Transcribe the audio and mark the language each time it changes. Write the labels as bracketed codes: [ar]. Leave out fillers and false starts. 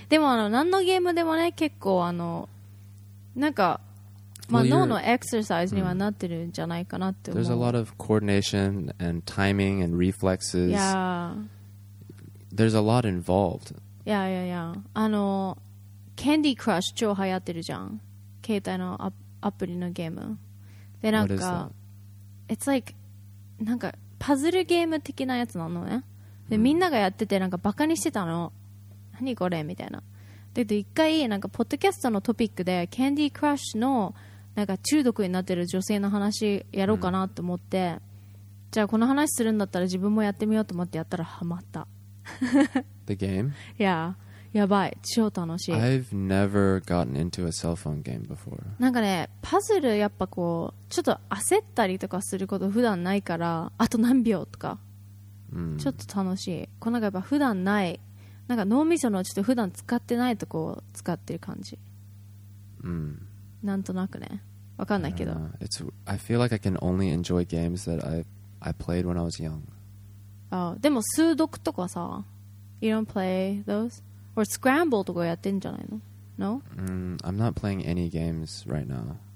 [ja] でも何のゲームでもね、結構脳のエクササイズにはなってるんじゃないかなって思う。 [en] There's a lot of coordination and timing and reflexes. Yeah. there's a lot involved. Yeah, yeah, yeah. [ja] あの、Candy Crush 超流行ってるじゃん。携帯のアプリのゲーム。で、なんか、 [en] It's like、 [ja] なんか、パズルゲーム的なやつなのね。で、みんながやってて、なんかバカにしてたの。何これみたいな。だけど、一回、なんか、ポッドキャストのトピックで、Candy Crush の、なんか、中毒になってる女性の話やろうかなと思って、じゃあこの話するんだったら自分もやってみようと思ってやったらハマった。 [en] The game? Yeah. [ja] やばい。超楽しい。 [en] I've never gotten into a cell phone game before. [ja] なんかね、パズルやっぱこう、ちょっと焦ったりとかすること普段ないから、あと何秒とか。 Mm. ちょっと楽しい。こうなんかやっぱ普段ない、なんか脳みそのちょっと普段使ってないとこを使ってる感じ。 Mm. なんとなくね。わかんないけど。 [en] It's, I feel like I can only enjoy games that I played when I was young. Oh, [ja] でも数独とかさ、 [en] you don't play those? [ja] Or Scramble とかやってんじゃないの?No? [en] Mm, I'm not playing any games right now.